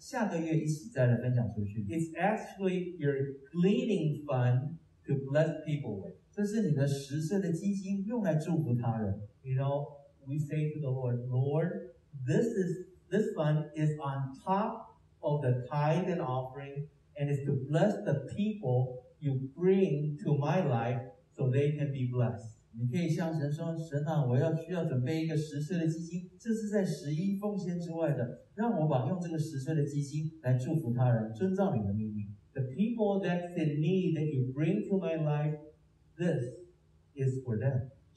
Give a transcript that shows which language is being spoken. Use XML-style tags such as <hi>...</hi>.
<zh>如果这个月上帝没有把这些需要人带到你面前，或许我们就留下下个月一起再来分享出去。</zh> <en>It's actually your gleaning fund to bless people with.</en> <zh>这是你的十岁的基金，用来祝福他人。</zh> <en>You know, we say to the Lord, Lord, this fund is on top of the tithe and offering, and is to bless the people you bring to my life so they can be blessed.</en> <zh>你可以向神说，神啊，我要需要准备一个十岁的基金，这是在十一奉献之外的，让我把用这个十岁的基金来祝福他人，遵照你的命令。</zh> <en>The people that's in need that you bring to my life, this is for them.</en>